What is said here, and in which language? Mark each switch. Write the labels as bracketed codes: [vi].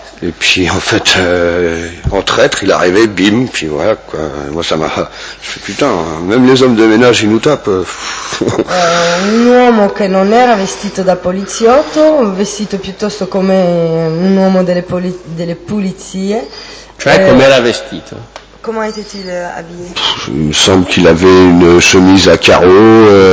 [fr] Et puis en fait, en traître, il arrivait, bim, puis voilà quoi. Et moi ça m'a... Je fais, putain, même les hommes de ménage, ils nous tapent. [it] Un uomo che non era vestito da poliziotto, vestito piuttosto come un uomo delle pulizie. Cioè come era vestito? [fr] Comment était-il habillé? Il me semble qu'il avait une chemise à carreaux...